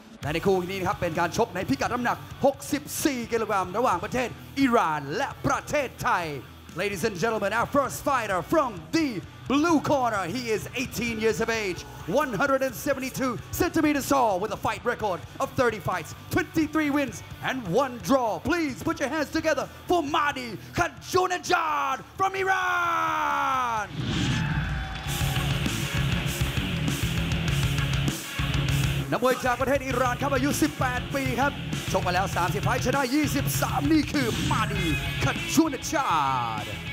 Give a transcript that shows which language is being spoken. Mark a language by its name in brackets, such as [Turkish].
[Thai] และในคู่นี้ครับเป็นการชกในพิกัดน้ำหนัก64กิโลกรัมระหว่างประเทศอิหร่านและประเทศไทย [English] Ladies and gentlemen our first fighter from theBlue corner, he is 18 years of age, 172 centimeters tall, with a fight record of 30 fights, 23 wins, and 1 draw. Please put your hands together for Mahdi Khanjounejad from Iran! [Thai] นักมวยจากประเทศอิหร่านครับอายุ18ปีครับชกมาแล้ว30ไฟต์ชนะ23นี่คือ Mahdi Khanjounejad